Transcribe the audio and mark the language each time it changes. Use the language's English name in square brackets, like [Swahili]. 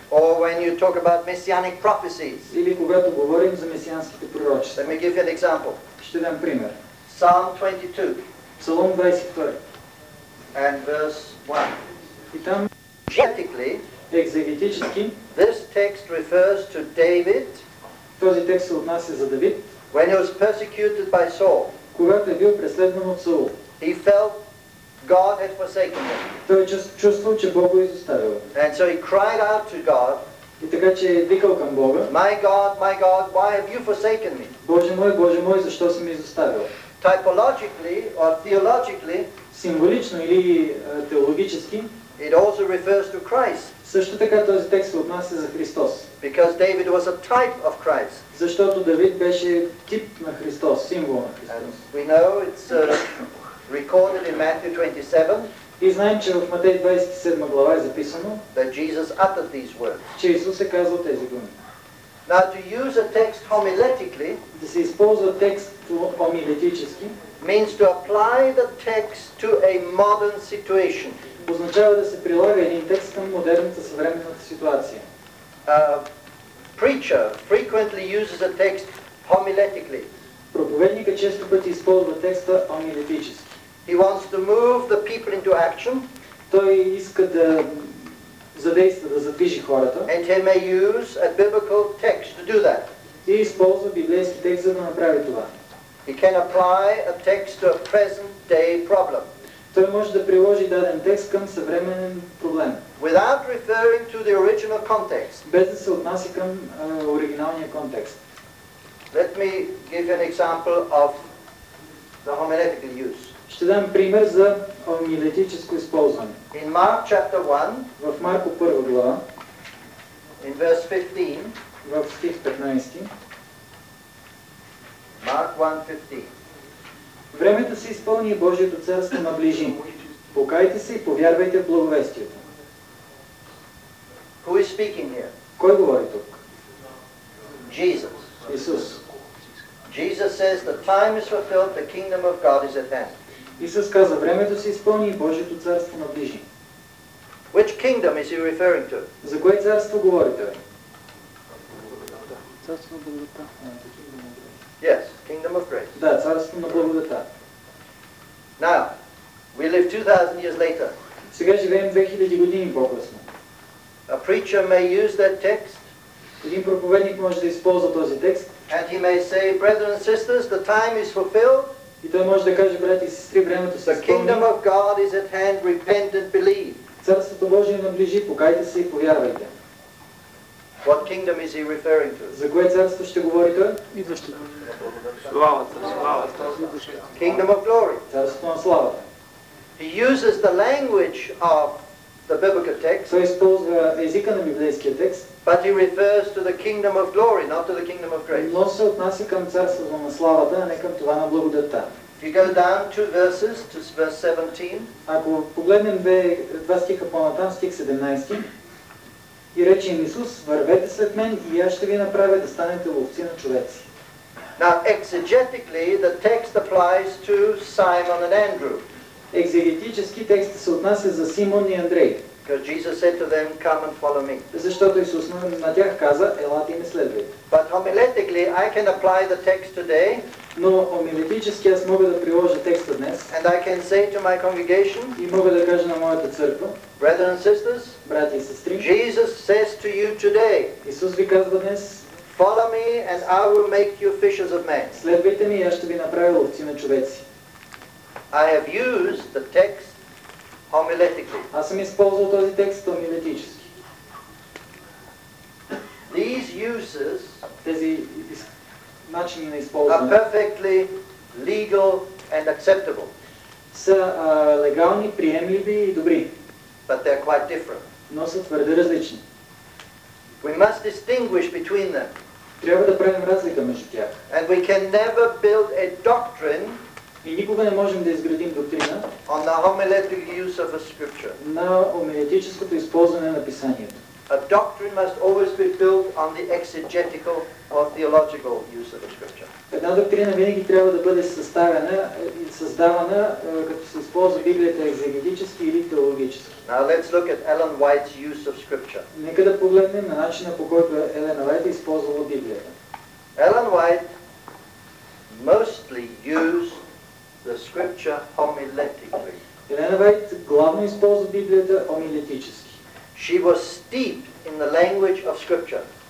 [English] Or when you talk about messianic prophecies. [Bulgarian] Или когато говорим за месианските пророчества. [English] Let me give you an example. [Bulgarian] Ще дам пример. [English] Psalm 22. [Bulgarian] Псалом 22. [English] And verse 1. [Bulgarian] И там, [English] exegetically, [Bulgarian] екзегетически, [English] this text refers to David. [Bulgarian] Този текст се отнася за Давид. [English] When he was persecuted by Saul. [Bulgarian] Когато е бил преследван от Саул. [English] He felt God had forsaken him. [Bulgarian] Той чувствал, че Бог го изоставил. [English] And so he cried out to God. [Bulgarian] И така че е викал към Бога. [English] My God, why have you forsaken me? [Bulgarian] Боже мой, защо си ме изоставил? [English] Typologically or theologically, [Bulgarian] символично или теологически, [English] it also refers to Christ. [Bulgarian] Също така този текст се отнася за Христос. [English] Because David was a type of Christ. [Bulgarian] Защото Давид беше тип на Христос, символ на Христос. [English] And we know it's recorded in Matthew 27. [Bulgarian] И знаем, че в Матей 27 глава е записано, [English] that Jesus uttered these words. [Bulgarian] Че Исус е казал тези думи. [English] Now to use a text homiletically, [Bulgarian] да се използва текст хомилетически, [English] means to apply the text to a modern situation. [Bulgarian] Означава да се прилага един текст към модерната съвременната ситуация. [English] A preacher frequently uses a text homiletically. [Bulgarian] Проповедникът често пъти използва текста хомилетически. [English] He wants to move the people into action. [Bulgarian] Той иска да задейства, да задвижи хората. [English] And he may use a biblical text to do that. [Bulgarian] И използва библейски текст, за да направи това. [English] He can apply a text to a present day problem. [Bulgarian] Той може да приложи даден текст към съвременен проблем. [English] Without referring to the original context. [Bulgarian] Без да се отнася към оригиналния контекст. [English] Let me give an example of the homiletical use. [Bulgarian] Ще дам пример за хомилетическо използване. [English] In Mark chapter 1, [Bulgarian] в Марко 1 глава, [English] in verse 15, [Bulgarian] в стих 15, [English] Mark 1:15. [Bulgarian] Времето се изпълни и Божието царство наближи. Покайте се и повярвайте в благовестието. [English] Who is speaking here? [Bulgarian] Кой говори тук? [English] Jesus. [Bulgarian] Исус. [English] Jesus says the time is fulfilled, the kingdom of God is at hand. [Bulgarian] Исус каза, времето се изпълни и Божието царство наближи. [English] Which kingdom is he referring to? [Bulgarian] За кое царство говорите? Царство на благодата. [English] Yes, kingdom of grace. [Bulgarian] Да, царство на благодата. [English] Now, we live 2000 years later. [Bulgarian] Сега живеем 2000 години по-късно. [English] A preacher may use that text. [Bulgarian] Един проповедник може да използва този текст. [English] And he may say, brethren and sisters, the time is fulfilled. [Bulgarian] И той може да каже, брати и сестри, времето се изпълни. [English] Kingdom of God is at hand, repent and believe. [Bulgarian] Царството Божие наближи, покайте се и повярвайте. [English] What kingdom is he referring to? [Bulgarian] За кое царство ще говори той? Славата. [English] Kingdom of glory. [Bulgarian] Царството на славата. [English] He uses the language of the biblical text. [Bulgarian] Той използва езика на библейския текст. [English] But he refers to the kingdom of glory, not to the kingdom of grace. [Bulgarian] Но се отнася към царството на славата, а не към това на благодата. [English] If you go down two verses to verse 17. [Bulgarian] Ако погледнем два стиха по-натам, стих 17. И рече им Исус, вървете след мен и аз ще ви направя да станете ловци на човеци. [English] Now exegetically the text applies to Simon and Andrew. [Bulgarian] Екзегетически текст се отнася за Симон и Андрей. [English] Because Jesus said to them, come and follow me. [Bulgarian] Защото Исус на тях каза, елате и ме следвайте. [English] But homiletically I can apply the text today. [Bulgarian] Но омилетически аз мога да приложа текста днес. [English] And I can say to my congregation. [Bulgarian] И мога да кажа на моята църква. [English] Brothers and sisters. [Bulgarian] Брати и сестри. [English] Jesus says to you today. [Bulgarian] Исус ви казва днес. [English] Follow me and I will make you fishers of men. [Bulgarian] Следвайте ми и аз ще ви направя ловци на човеци. [English] I have used the text homiletically. [Bulgarian] Аз съм използвал този текст омилетически. [English] These uses, [Bulgarian] тези начини на използване, [English] are perfectly legal and acceptable. [Bulgarian] Са легални, приемливи и добри. [English] But they are quite different. [Bulgarian] Но са твърде различни. [English] We must distinguish between them. [Bulgarian] Трябва да правим разлика между тях. [English] And we can never build a doctrine. [Bulgarian] И никога не можем да изградим доктрина [English] on the homiletic use of a scripture. [Bulgarian] На омилетическото използване на писанието. [English] A doctrine must always be built on the exegetical or theological use of a scripture. [Bulgarian] Една доктрина винаги трябва да бъде създавана като се използва Библията екзегетически или теологически. [English] Now let's look at Ellen White's use of scripture. [Bulgarian] Нека да погледнем на начина, по който Елен Уайт използвала Библията. [English] Ellen White mostly used the scripture homiletically. [Bulgarian] Елена Уайт главно използва Библията омилетически. [English] She was steeped in the language of scripture.